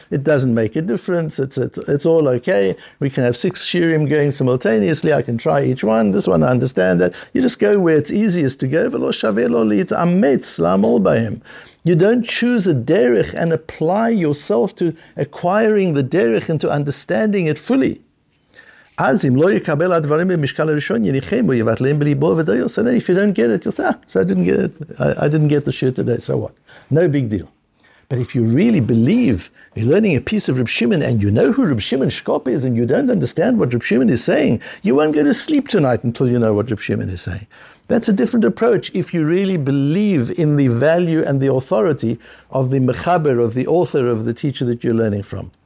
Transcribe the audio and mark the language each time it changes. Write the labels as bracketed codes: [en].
[en] It doesn't make a difference. It's all okay. We can have six shirim going simultaneously. I can try each one. This one, I understand that. You just go where it's easiest to go. [he] V'lo shaveh lo li'it ametz la'amol b'hem. [en] You don't choose a derech and apply yourself to acquiring the derech and to understanding it fully. [he] אז אם לא יקבל הדברים במשקל הראשון, יניחם ויבטלם בליבו ודיו. [en] So then if you don't get it, you'll say, so I didn't get the shir today, so what? No big deal. But if you really believe you're learning a piece of Reb Shimon and you know who Reb Shimon Shkop is and you don't understand what Reb Shimon is saying, you won't go to sleep tonight until you know what Reb Shimon is saying. That's a different approach if you really believe in the value and the authority of the mechaber, of the author, of the teacher that you're learning from.